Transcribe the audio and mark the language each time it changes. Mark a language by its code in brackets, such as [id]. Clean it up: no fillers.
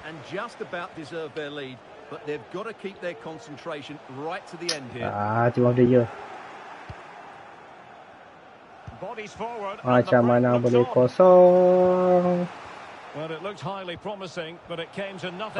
[en] just about deserve their lead, but they've got to keep their concentration right to the end here. Bodies forward. [ms] Macam mana boleh kosong? [en] Well, it looked highly promising, but it came to nothing.